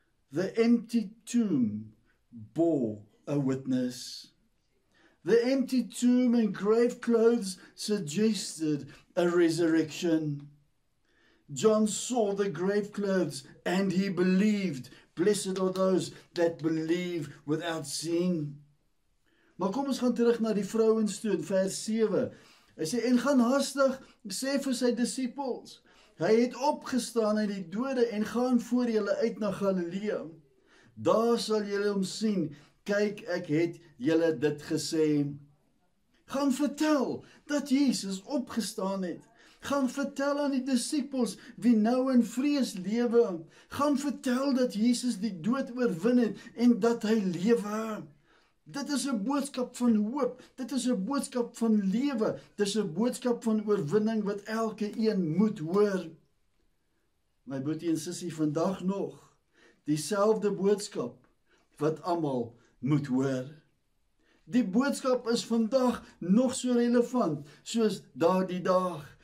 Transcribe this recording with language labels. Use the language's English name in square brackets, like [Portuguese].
[English] The empty tomb bore a witness. The empty tomb and grave clothes suggested a resurrection. John saw the grave clothes and he believed. Blessed are those that believe without seeing. [Afrikaans] Maar kom ons gaan terug naar die vrouwens toe in vers 7. Hy sê, en gaan hastig, sê vir sy disciples, hy het opgestaan uit die dode en gaan voor julle uit naar Galilea. Daar sal julle hom sien, kyk, ek het julle dit gesê. Gaan vertel dat Jesus opgestaan het. Gaan vertel aan die disciples wie nou in vrees lewe. Gaan vertel dat Jesus die dood oorwin het en dat hy lewe. Dit is een boodskap van hoop, dit is een boodskap van leven, dit is een boodskap van oorwinning wat elke een moet hoor. My boetie en sissie, vandag nog, diezelfde boodskap wat allemaal moet hoor. Die boodskap is vandag nog so relevant, soos daar die dag.